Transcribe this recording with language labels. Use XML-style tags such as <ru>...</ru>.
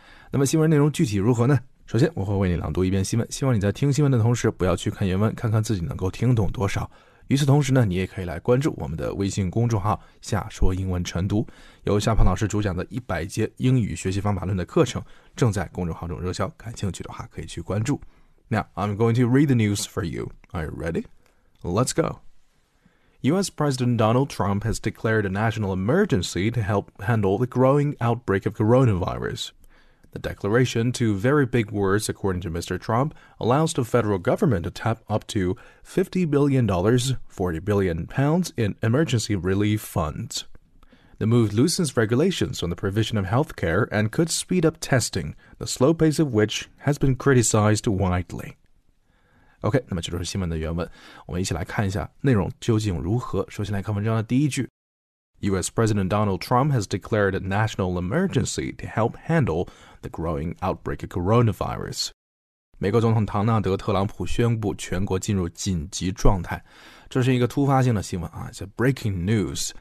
<zh>那么新闻内容具体如何呢？首先我会为你朗读一遍新闻，希望你在听新闻的同时不要去看原文，看看自己能够听懂多少。与此同时呢，你也可以来关注我们的微信公众号夏说英文晨读，由夏鹏老师主讲的100节英语学习方法论的课程正在公众号中热销，感兴趣的话可以去关注。</zh> <en>Now, I'm going to read the news for you. Are you ready? Let's go. U.S. President Donald Trump has declared a national emergency to help handle the growing outbreak of coronavirus. The declaration, to very big words according to Mr. Trump, allows the federal government to tap up to $50 billion, £40 billion in emergency relief funds. The move loosens regulations on the provision of health care and could speed up testing, the slow pace of which has been criticized widely.</en> <zh>OK, 那么这就是新闻的原文，我们一起来看一下内容究竟如何。首先来看文章的第一句。</zh> <en>U.S. President Donald Trump has declared a national emergency to help handle the growing outbreak of coronavirus.</en> <zh>美国总统唐纳德·特朗普宣布全国进入紧急状态，这是一个突发性的新闻啊，叫</zh> <en>breaking news.</en>